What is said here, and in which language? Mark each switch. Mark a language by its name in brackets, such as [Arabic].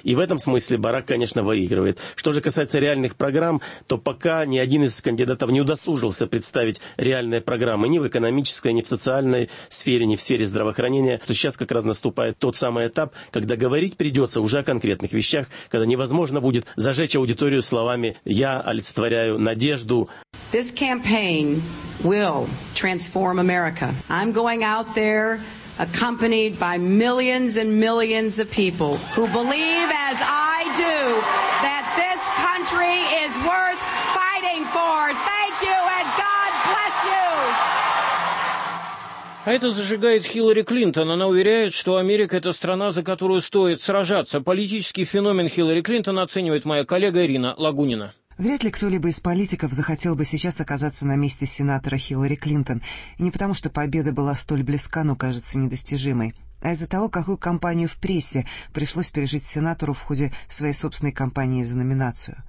[Russian] И в этом смысле Барак, конечно, выигрывает. Что же касается реальных программ, то пока ни один из кандидатов не удосужился представить реальные программы. программы, ни в экономической, ни в социальной сфере, ни в сфере здравоохранения. То сейчас как раз наступает тот самый этап, когда говорить придется уже о конкретных вещах, когда невозможно будет зажечь аудиторию словами «Я олицетворяю надежду». [English] This campaign will transform America. I'm going out there accompanied by millions and millions of people who believe, as I do, that this country is worth fighting for. Thank you and God bless you. [Russian] А это зажигает Хиллари Клинтон. Она уверяет, что Америка – это страна, за которую стоит сражаться. Политический феномен Хиллари Клинтон оценивает моя коллега Ирина Лагунина. Вряд ли кто-либо из политиков захотел бы сейчас оказаться на месте сенатора Хиллари Клинтон. И не потому, что победа была столь близка, но кажется недостижимой, а из-за того, какую кампанию в прессе пришлось пережить сенатору в ходе своей собственной кампании за номинацию.